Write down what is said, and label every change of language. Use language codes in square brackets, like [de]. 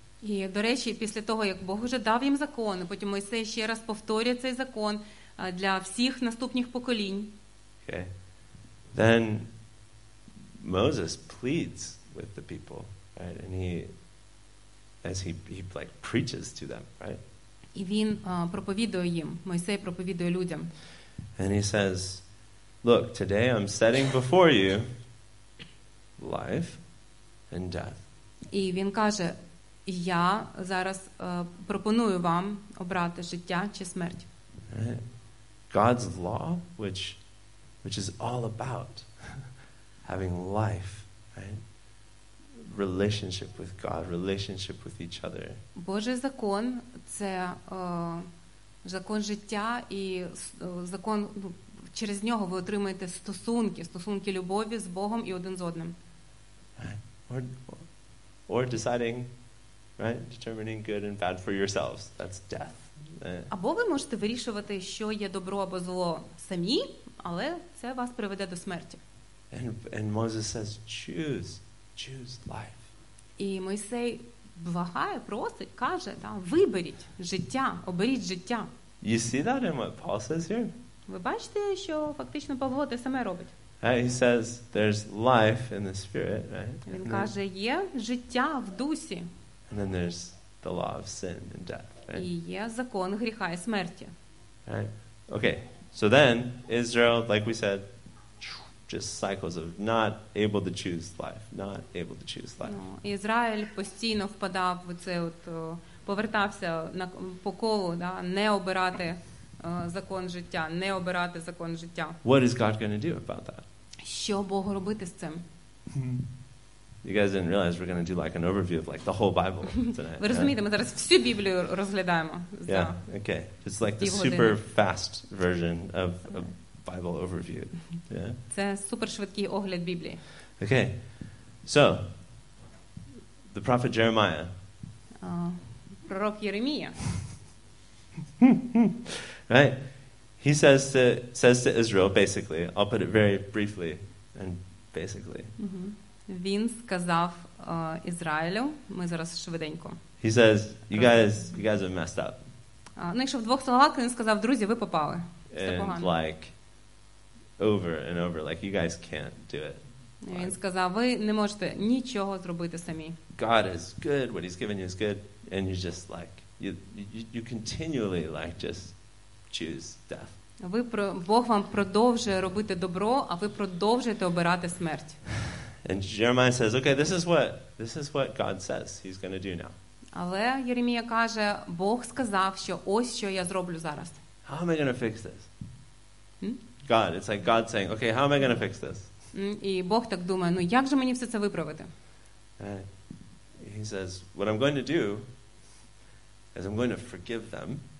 [uk] І, до речі, після того, як Бог уже дав їм закон, потім Мойсей ще раз повторює цей закон для всіх наступних поколінь. [en] Okay. Then Moses pleads with the people, right? And he preaches to them, right? [uk] І він проповідує їм, Мойсей проповідує людям. [en] And he says, "Look, today I'm setting before you life and death." [uk] І він каже: "Я зараз пропоную вам обрати життя чи смерть." [en] God's law, which is all about having life, right? Relationship with God, relationship with each other. [uk] Божий закон це закон життя і закон, через нього ви отримаєте стосунки любові з Богом і один з одним. [en] Or deciding, right? Determining good and bad for yourselves. That's death. [uk] Або ви можете вирішувати, що є добро або зло самі, але це вас приведе до смерті. [en] And Moses says, choose life. [uk] І Мойсей благає, просить, каже, да, виберіть життя, оберіть життя. [en] You see that in what Paul says here? [uk] Ви бачите, що фактично Павло те саме робить? [en] He says there's life in the spirit, right? [uk] Він каже, є життя в дусі. [en] And then there's the law of sin and death, right? [uk] І є закон гріха і смерті. [en] Right? Okay. So then Israel, like we said, just cycles of not able to choose life, not able to choose life. [uk] Ну, Ізраїль постійно впадав в це от повертався на по колу, да, не обирати закон життя, не обирати закон життя. [en] What is God going to do about that? [uk] Що Бог робити з цим? [en] You guys didn't realize we're going to do like an overview of like the whole Bible tonight. [uk] Ви розумієте, ми зараз всю Біблію розглядаємо. [en] Yeah, okay. It's like the super fast version of a Bible overview. Yeah. [uk] Це супершвидкий огляд Біблії. [en] Okay. So, the prophet Jeremiah. [uk] Пророк Єремія. [en] Right? He says to Israel, basically, I'll put it very briefly and basically. [uk] Він сказав Ізраїлю, ми зараз швиденько. [en] He says, you guys are messed up. [uk] Ну, якщо в двох словах, він сказав, друзі, ви попали. [en] And like, over and over, like, you guys can't do it. [uk] Він сказав, ви не можете нічого зробити самі. [en] God is good, what he's given you is good, and you're just like, you continually like just choose death. [uk] Ви про Бог вам продовжує робити добро, а ви продовжуєте обирати смерть. [en] And Jeremiah says, okay, this is what God says he's going to do now. [uk] Але Єремія каже, Бог сказав, що ось що я зроблю зараз. [en] How am I going to fix this? God, it's like God saying, okay, how am I going to fix this? [uk] І Бог так думає, ну як же мені все це виправити? [en] He says, what I'm going to do is I'm going to forgive them.